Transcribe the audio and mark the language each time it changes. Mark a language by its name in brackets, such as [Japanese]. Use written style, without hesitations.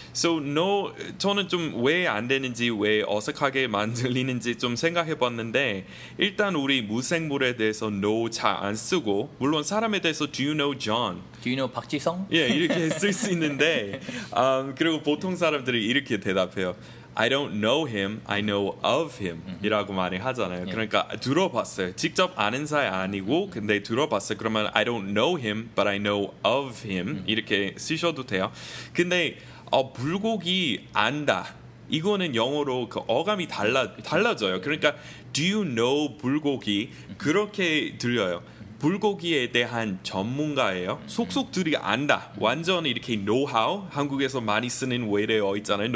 [Korean] So no, 저는 좀 왜 안 되는지, 왜 어색하게만 들리는지 좀 생각해봤는데 일단 우리 무생물에 대해서 no 잘 안 쓰고 물론 사람에 대해서 [English] do you know John? Do you know 박지성? [Korean] 예, yeah, 이렇게 쓸 수 있는데 그리고 보통 사람들이 이렇게 대답해요. [English] I don't know him, I know of him. [Korean] 이라고 많이 하잖아요. 그러니까 들어봤어요. 직접 아는 사이 아니고 근데 들어봤어요. [English] 그러면 I don't know him, but I know of him. [Korean] 이렇게 쓰셔도 돼요. 근데 불고기 안다. 이거는 영어로 그 어감이 달라져요. 그러니까 [English] do you know [Korean] 불고기? 그렇게 들려요. 불고기에 대한 전문가예요. 속속들이 안다. 완전 이렇게 노하우, 한국에서 많이 쓰는 외래어 있잖아요.